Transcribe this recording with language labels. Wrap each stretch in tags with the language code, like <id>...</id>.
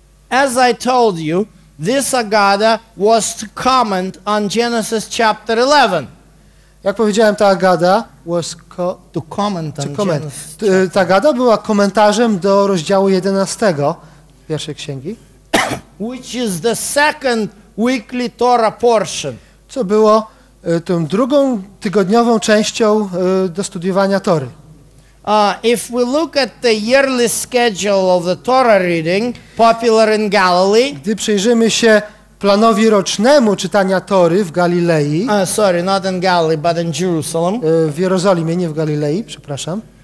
<en>As I told you, this Agada was to comment on Genesis chapter 11.</en> <pl>Jak powiedziałem, ta Agada</pl> <en>was to comment on Genesis.</en> <pl>Ta Agada była komentarzem do rozdziału 11 pierwszej księgi,</pl> <en>which is the second weekly Torah portion.</en> <pl>Co było tą drugą tygodniową częścią do studiowania Tory.</pl> <en>If we look at the yearly schedule of the Torah reading, popular in Galilee.</en> <pl>Gdy przyjrzymy się planowi rocznemu czytania Tory w Galilei.</pl> <en>Sorry, not in Galilee, but in Jerusalem.</en> <pl>W Jerozolimie, nie w Galilei, przepraszam.</pl>